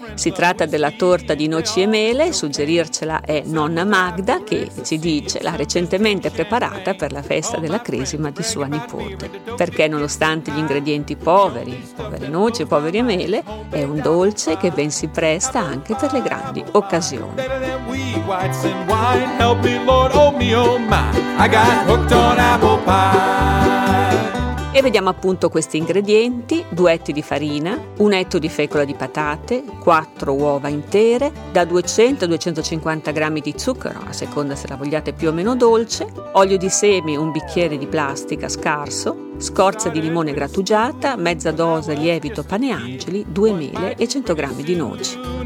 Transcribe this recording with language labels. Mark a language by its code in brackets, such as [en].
[it] Si tratta della torta di noci e mele, suggerircela è nonna Magda, che ci dice l'ha recentemente preparata per la festa della cresima di sua nipote. Perché nonostante gli ingredienti poveri, povere noci e povere mele, è un dolce che ben si presta anche per le grandi occasioni. [en] Whites and wine, help me Lord, oh me oh my, I got hooked on apple pie. [it] E vediamo appunto questi ingredienti: 2 etti di farina, 1 etto di fecola di patate, 4 uova intere, da 200 a 250 grammi di zucchero, a seconda se la vogliate più o meno dolce, olio di semi, un bicchiere di plastica scarso, scorza di limone grattugiata, mezza dose lievito pane angeli, 2 mele e 100 grammi di noci.